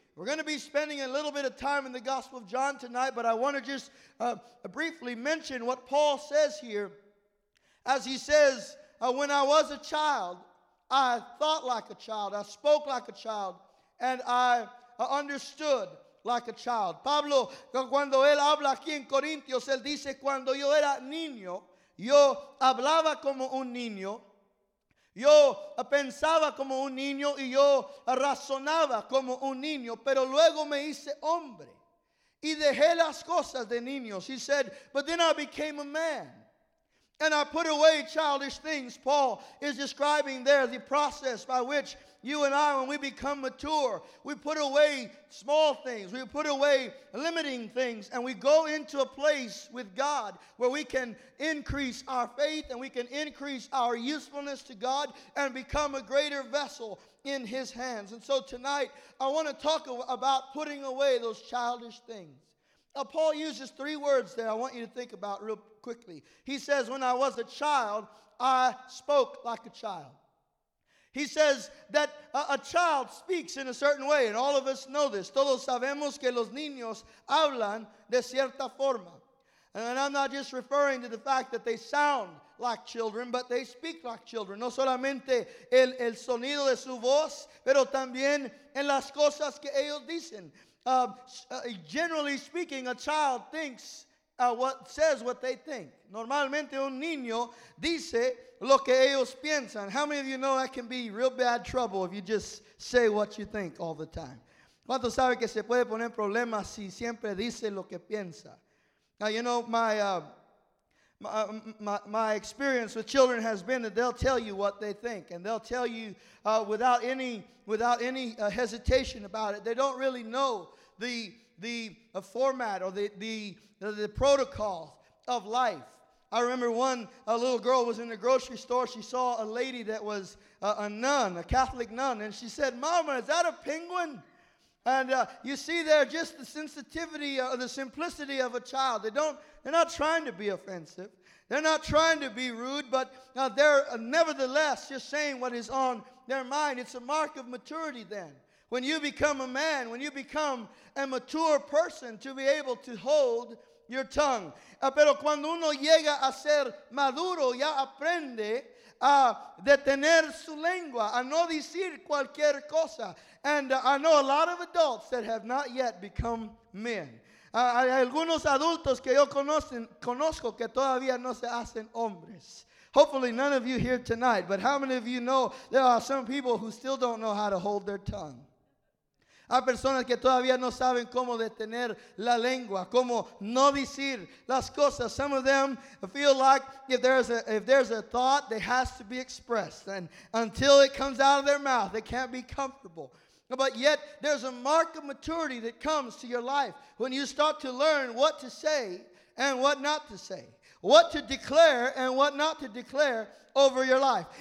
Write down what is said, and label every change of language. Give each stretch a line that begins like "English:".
English: We're going to be spending a little bit of time in the Gospel of John tonight, but I want to just briefly mention what Paul says here as he says, when I was a child, I thought like a child, I spoke like a child, and I understood like a child.
Spanish: Pablo, cuando él habla aquí en Corintios, él dice, cuando yo era niño, yo hablaba como un niño, yo pensaba como un niño, y yo razonaba como un niño, pero luego me hice hombre, y dejé las cosas de niños.
English: He said, but then I became a man. And I put away childish things. Paul is describing there the process by which you and I, when we become mature, we put away small things, we put away limiting things, and we go into a place with God where we can increase our faith and we can increase our usefulness to God and become a greater vessel in his hands. And so tonight, I want to talk about putting away those childish things. Now, Paul uses three words there I want you to think about real quickly. He says, when I was a child, I spoke like a child. He says that a child speaks in a certain way, and all of us know this.
Spanish: Todos sabemos que los niños hablan de cierta forma.
English: And I'm not just referring to the fact that they sound like children, but they speak like children.
Spanish: No solamente el sonido de su voz, pero también en las cosas que ellos dicen.
English: Generally speaking, a child thinks says what they think.
Spanish: Normalmente un niño dice lo que ellos piensan.
English: How many of you know that can be real bad trouble if you just say what you think all the time?
Spanish: ¿Cuántos saben que se puede poner problemas si siempre dice lo que piensa?
English: Now, you know, my experience with children has been that they'll tell you what they think, and they'll tell you without any hesitation about it. They don't really know the format or the protocol of life. I remember one little girl was in the grocery store. She saw a lady that was a nun, a Catholic nun. And she said, "Mama, is that a penguin?" And you see there just the sensitivity or the simplicity of a child. They're not trying to be offensive. They're not trying to be rude, but they're nevertheless just saying what is on their mind. It's a mark of maturity then. When you become a man, when you become a mature person to be able to hold your tongue.
Spanish: Pero cuando uno llega a ser maduro, ya aprende a detener su lengua, a no decir cualquier cosa.
English: And I know a lot of adults that have not yet become men.
Spanish: Hay algunos adultos que yo conozco que todavía no se hacen hombres.
English: Hopefully none of you here tonight, but how many of you know there are some people who still don't know how to hold their tongue?
Spanish: Hay personas que todavía no saben cómo detener la lengua, cómo no decir las cosas.
English: Some of them feel like if there's a thought, it has to be expressed. And until it comes out of their mouth, they can't be comfortable. But yet, there's a mark of maturity that comes to your life when you start to learn what to say and what not to say, what to declare and what not to declare over your life.